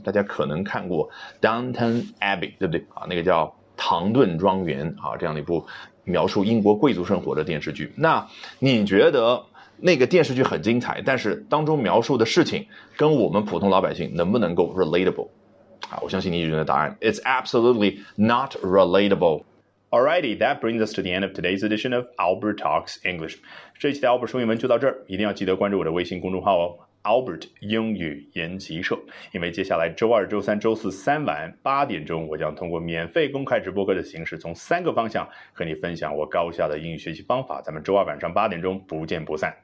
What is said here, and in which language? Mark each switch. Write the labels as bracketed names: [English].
[Chinese] 大家可能看过 Downton Abbey， 对不对啊？那个叫唐顿庄园啊，这样的一部描述英国贵族生活的电视剧。那你觉得那个电视剧很精彩，但是当中描述的事情跟我们普通老百姓能不能够 relatable？我相信你已经有答案。 [English] It's absolutely not relatable. Alrighty, that brings us to the end of today's edition of Albert Talks English. [Chinese] 这一期的 Albert 英语就到这儿，一定要记得关注我的微信公众号哦， Albert 英语研习社。因为接下来周二、周三、周四三晚八点钟，我将通过免费公开直播课的形式，从三个方向和你分享我高效的英语学习方法。咱们周二晚上八点钟不见不散。